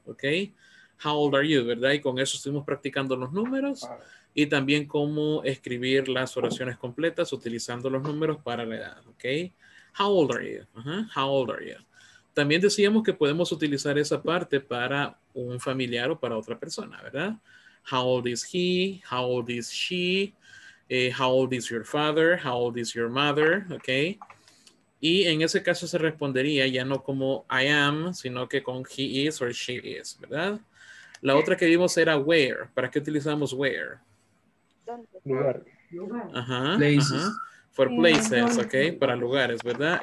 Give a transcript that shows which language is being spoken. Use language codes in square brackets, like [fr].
[es] Ok, [en] how old are you, [es] ¿verdad? Y con eso estuvimos practicando los números. Y también cómo escribir las oraciones completas utilizando los números para la edad, ¿ok? [en] How old are you? [es] Uh-huh. How old are you? También decíamos que podemos utilizar esa parte para un familiar o para otra persona, ¿verdad? [en] How old is he? How old is she? How old is your father? How old is your mother? ¿Ok? [es] Y en ese caso se respondería ya no como [en] I am, [es] sino que con [en] he is or she is, [es] ¿verdad? La otra que vimos era where. ¿Para qué utilizamos where? ¿Dónde? Lugar. [en] Ajá. Places. Ajá. For places, ok. [es] Para lugares, ¿verdad?